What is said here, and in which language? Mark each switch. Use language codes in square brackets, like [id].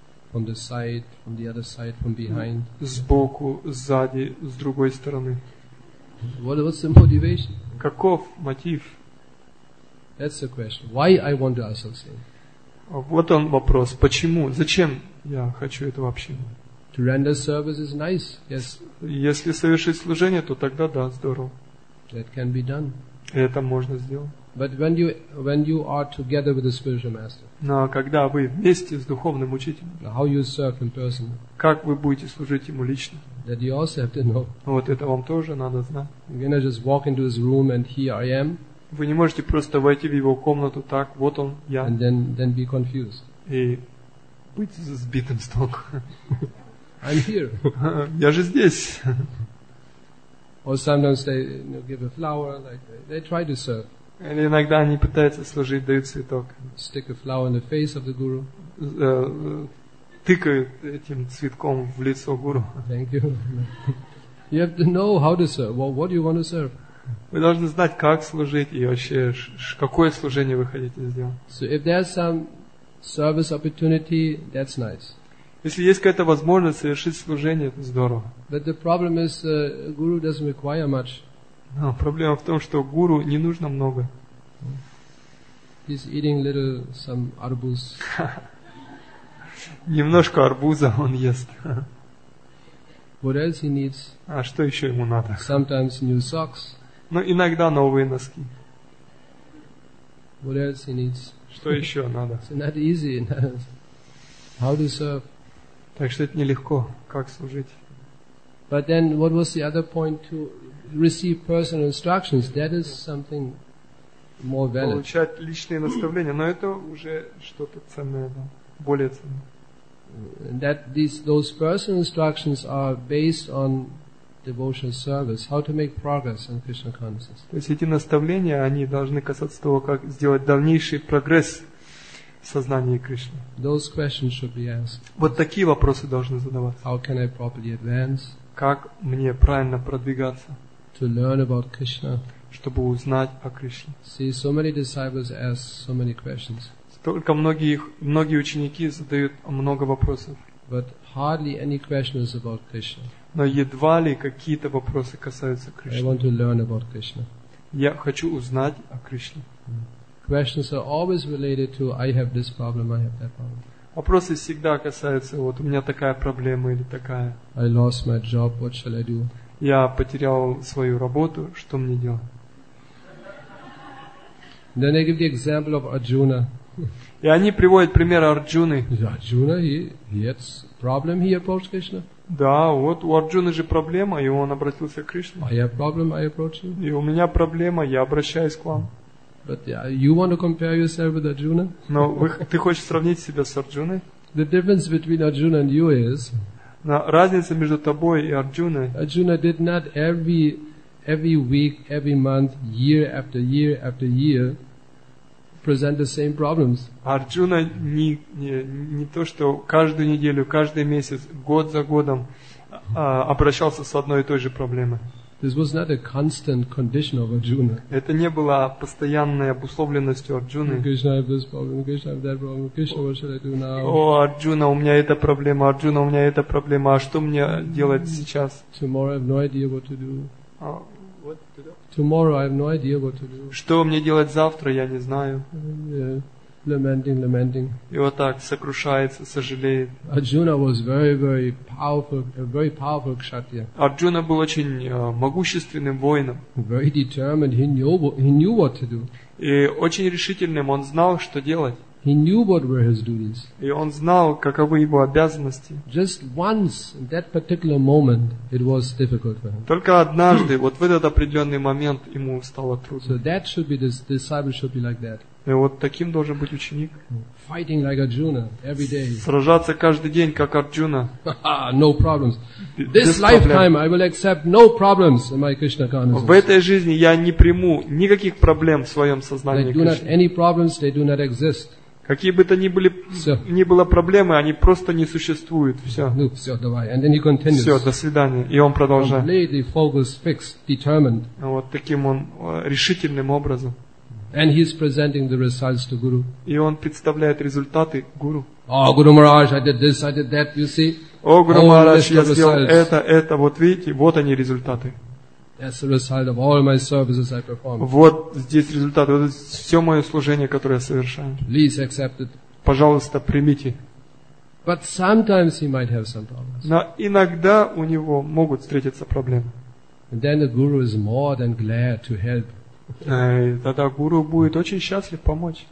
[en] From the side, from the other side, from behind. [ru] Сбоку, сзади, с другой стороны. [en] What's the motivation? [ru] Каков мотив? [en] That's the question. Why I want to associate? [ru] Вот он вопрос. Почему? Зачем я хочу этого общения? [en] To render service is nice, yes. [ru] Если совершить служение, то тогда да, здорово. [en] That can be done. [ru] Это можно сделать. [en] But when you are together with the spiritual master. [ru] Но когда вы вместе с духовным учителем. [en] How you serve in person. [ru] Как вы будете служить ему лично? [en] That you also have to know. [ru] Вот это вам тоже надо знать. [en] You cannot just walk into his room and here I am. [ru] Вы не можете просто войти в его комнату так, вот он, я. [en] And then be confused. [ru] И быть сбитым с толку. [en] I'm here. [ru] Я же здесь. [en] Or sometimes they, you know, give a flower, like they try to serve. [ru] Или иногда они пытаются служить, дают цветок. [en] Stick a flower in the face of the guru. [ru] Тыкают этим цветком в лицо гуру. [en] Thank you. You have to know how to serve. Well, what do you want to serve? [ru] Вы должны знать, как служить и вообще какое служение вы хотите сделать. [en] So if there's some service opportunity, that's nice. [ru] Если есть какая-то возможность совершить служение, это здорово. [en] But the problem is, guru doesn't require much. [ru] No, проблема в том, что гуру не нужно много. [en] He's eating little some arbuz. [ru] Немножко арбуза он ест. [en] What else he needs? [ru] А что еще ему надо? [en] Sometimes new socks. [ru] Но иногда новые носки. [en] What else he needs? [ru] Что еще надо? [en] It's not easy. How to serve? [ru] Так что это нелегко, как служить. [en] But then, what was the other point? To receive personal instructions. That is something more valid. [ru] Получать личные наставления, но это уже что-то ценное, да? Более ценное. [en] That those personal instructions are based on devotional service, how to make progress in Krishna consciousness. [ru] То есть эти наставления, они должны касаться того, как сделать дальнейший прогресс в сознании Кришны. [en] Those questions should be asked. [ru] Вот такие вопросы должны задаваться. [en] How can I properly advance? [ru] Как мне правильно продвигаться? [en] To learn about Krishna. [ru] Чтобы узнать о Кришне. [en] See, so many disciples ask so many questions. [ru] Только многие ученики задают много вопросов. [en] But hardly any questions about Krishna. [ru] Но едва ли какие-то вопросы касаются Кришны. [en] I want to learn about Krishna. [ru] Я хочу узнать о Кришне. [en] Questions are always related to I have this problem, I have that problem. [ru] Вопросы всегда касаются вот у меня такая проблема или такая. [en] I lost my job, what shall I do? [ru] Я потерял свою работу, что мне делать? [en] Then I give the example of Arjuna. [ru] И они приводят пример Арджуны. [en] Arjuna, he has problem, he approached Krishna. [ru] Да, вот у Арджуны же проблема, и он обратился к Кришне. [en] I have problem, I approach him. [ru] И у меня проблема, я обращаюсь к вам. [en] But you want to compare yourself with Arjuna? [ru] Но ты хочешь сравнить себя с Арджуной? [en] The difference between Arjuna and you is. [ru] Разница между тобой и Арджуной. [en] Arjuna did not every week, every month, year after year after year. Present the same problems. [ru] Арджуна не то, что каждую неделю, каждый месяц, год за годом обращался с одной и той же проблемой. [en] This was not a constant condition of Arjuna. [ru] Это не было постоянной обусловленностью Арджуны. [en] Krishna, I have this problem. Krishna, I have that problem. Krishna, what should I do now? [ru] О, Арджуна, у меня эта проблема. Арджуна, у меня эта проблема. А что мне делать сейчас? [en] Tomorrow, I have no idea what to do. What? Tomorrow I have no idea what to do. [ru] Что мне делать завтра, я не знаю. [en] Lamenting. [ru] И вот так сокрушается, сожалеет. [en] Arjuna was very powerful kshatriya. [ru] Арджуна был очень могущественным воином. [en] Very determined, he knew what to do. [ru] И очень решительным, он знал, что делать. [en] He knew what were his duties. [ru] И он знал, каковы его обязанности. [en] Just once, in that particular moment, it was difficult for him. [ru] Только однажды, вот в этот определенный момент ему стало трудно. [en] So that should be this disciple should be like that. [ru] И вот таким должен быть ученик. [en] Fighting like Arjuna every day. [ru] Сражаться каждый день как Арджуна. [en] No problems. This lifetime I will accept no problems in my Krishna consciousness. [ru] В этой жизни я не приму никаких проблем в своем сознании. [en] They do not any problems. They do not exist. [ru] Какие бы то ни были, ни было проблемы, они просто не существуют. Все. Ну, все, давай. [en] And then he continues. [ru] Все, до свидания. И он продолжает. [en] Completely focused, fixed, determined. [ru] Вот таким он решительным образом. [en] And he is presenting the results to Guru. [ru] И он представляет результаты Гуру. [en] Oh, Guru Maharaj, I did this, I did that, you see. [ru] О, Гуру Махарадж, я сделал это, вот видите, вот они результаты. [en] That's the result of all my services I perform. [ru] Вот здесь результат. Вот все мое служение, которое я совершаю. [en] Please accept it. [ru] Пожалуйста, примите. [en] But sometimes he might have some problems. [ru] Но иногда у него могут встретиться проблемы. [en] And then the guru is more than glad to help. [ru] Тогда гуру будет очень счастлив помочь.